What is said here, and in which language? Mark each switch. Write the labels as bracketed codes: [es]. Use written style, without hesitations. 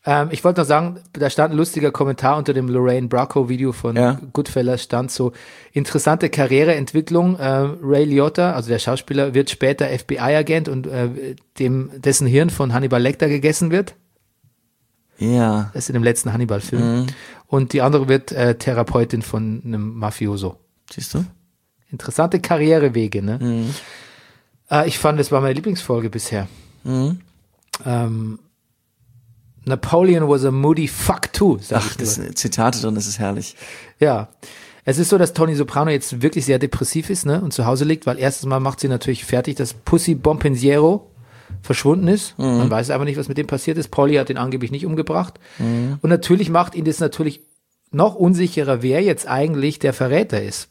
[de] Ich wollte noch sagen, da stand ein lustiger Kommentar unter dem Lorraine Bracco-Video von Goodfellas, stand so, interessante Karriereentwicklung, Ray Liotta, also der Schauspieler, wird später FBI-Agent und dessen Hirn von Hannibal Lecter gegessen wird. Ja. Das ist in dem letzten Hannibal-Film. Mhm. Und die andere wird Therapeutin von einem Mafioso. Siehst du? Interessante Karrierewege, ne? Mhm. Ich fand, das war meine Lieblingsfolge bisher. Mhm. [en] Napoleon was a moody fuck too, [de] sag ich nur. Ach, das Zitat drin, das ist herrlich. Ja. Es ist so, dass Tony Soprano jetzt wirklich sehr depressiv ist, ne, und zu Hause liegt, weil erstes Mal macht sie natürlich fertig, dass Pussy Bompensiero verschwunden ist. Mhm. Man weiß einfach nicht, was mit dem passiert ist. Polly hat ihn angeblich nicht umgebracht. Mhm. Und natürlich macht ihn das natürlich noch unsicherer, wer jetzt eigentlich der Verräter ist.